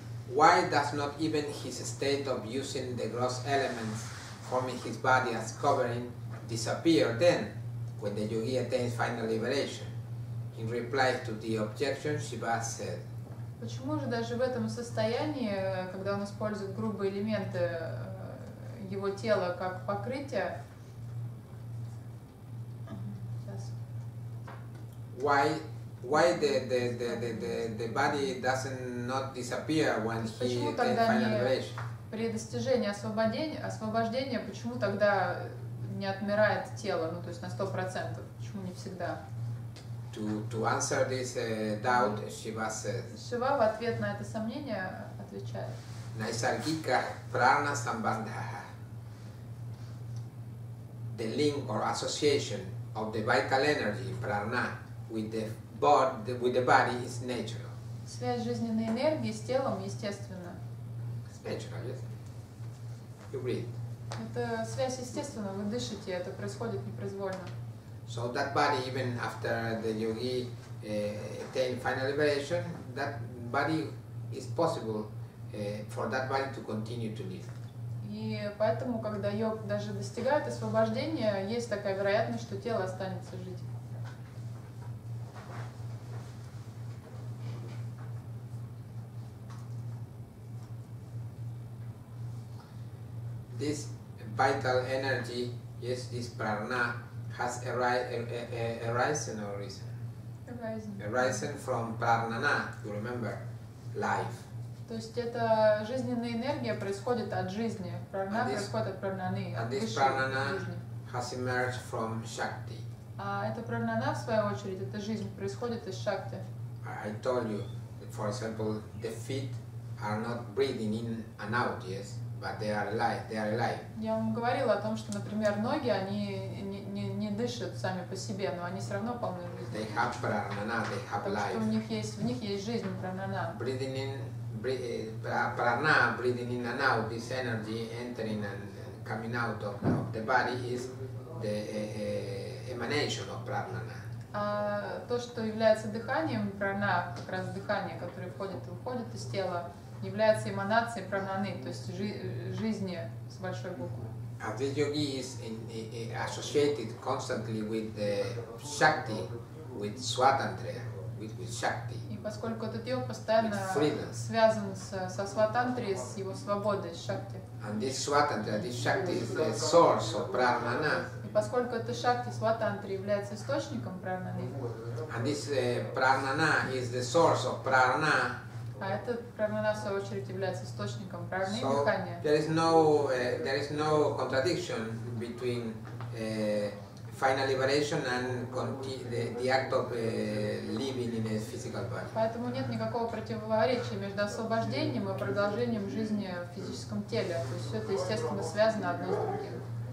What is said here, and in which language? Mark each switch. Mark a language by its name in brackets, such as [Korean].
[English] Why does not even his state of using the gross elements forming his body as covering disappear then, when the yogi attains final liberation? In reply to the objection, Shiva said, [Russian] почему же даже в этом состоянии, когда он использует грубые элементы его тела как покрытие? [English] Why the body doesn't not disappear when he [Russian] при достижении освобождения, почему тогда не отмирает тело, ну то есть на 100%, почему не всегда? [English] To answer this doubt, Shiva says. [Russian] Shiva в ответ на это сомнение отвечает. [Sanskrit] Naisargika prana sambandha. [English] The link or association of the vital energy prana with the body is natural. [Russian] Связь жизненной энергии с телом естественна. [English] Natural, yes. You breathe. [Russian] Это связь естественна. Вы дышите, это происходит непроизвольно. [English] So that body, even after the yogi attained final liberation, that body is possible for that body to continue to live. [Russian] И поэтому, когда йог даже достигает освобождения, есть такая вероятность, что тело останется жить. [English] this vital energy, yes, this prana, has arisen or risen? Arisen from pranana, you remember, life. [Russian] То есть эта жизненная энергия происходит от жизни. Прана происходит от прананы. [English] And this pranana has emerged from shakti. [Russian] А эта пранана, в свою очередь, эта жизнь происходит из шакти. [English] I told you, for example, the feet are not breathing in and out, yes, but they are alive. They are alive. [Russian] Я вам говорила о том, что, например, ноги, они не дышат сами по себе, но они все равно полны жизни. [English] They have pranana, they have life. [Russian] Потому что в них есть жизнь, пранана. [English] Breathing in, prana, breathing in and out, this energy entering and coming out of the body is the emanation of pranana. [Russian] То, что является дыханием прана, как раз дыхание, которое входит и выходит из тела, является эманацией прананы, то есть жизни с большой буквы. [English] And this yogi is associated constantly with the shakti, with swatantra, with shakti. [Russian] И поскольку этот йог постоянно связан со сватантрой, с его свободой, с шакти. [English] And this swatantra, this shakti is the source of pranana. [Russian] И поскольку эта шакти, сватантра, является источником прананы. [English] And this pranana is the source of prana. [Russian] А эта пранана, в свою очередь, является источником праны, [English] so, [Russian] дыхания. [English] There is no contradiction between final liberation and the act of living in a physical body. [Russian] Поэтому нет никакого противоречия между освобождением и продолжением жизни в физическом теле. То есть все это естественно связано одно с другим.